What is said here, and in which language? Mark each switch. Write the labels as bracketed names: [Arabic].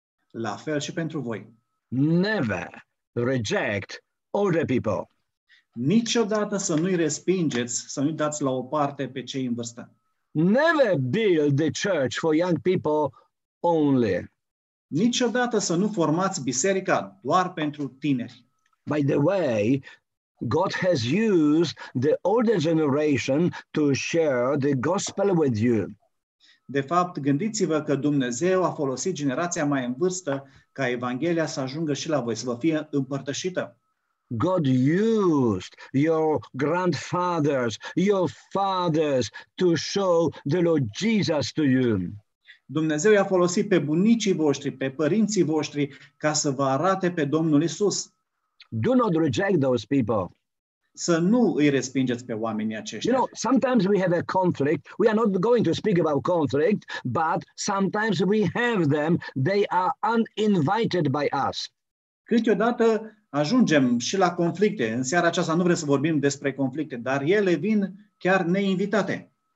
[Romanian] La fel și pentru voi. [English] Never reject older people. [Romanian] Niciodată să nu-i respingeți, să nu-i dați la o parte pe cei în vârstă. [English] Never build the church for young people only. [Romanian] Niciodată să nu formați biserica doar pentru tineri. [English] By the way, God has used the older generation to share the gospel with you. [Romanian] De fapt, gândiți-vă că Dumnezeu a folosit generația mai în vârstă ca Evanghelia să ajungă și la voi, să vă fie împărtășită. [English] God used your grandfathers, your fathers to show the Lord Jesus to you. [Romanian] Dumnezeu i-a folosit pe bunicii voștri, pe părinții voștri, ca să vă arate pe Domnul Isus. [English] Do not reject those people. [Romanian] Să nu îi respingeți pe oamenii aceștia. [English] You know, sometimes we have a conflict. We are not going to speak about conflict, but sometimes we have them. They are uninvited by us. [Romanian] Câteodată ajungem și la conflicte. În seara aceasta nu vrem să vorbim despre conflicte, dar ele vin chiar neinvitate.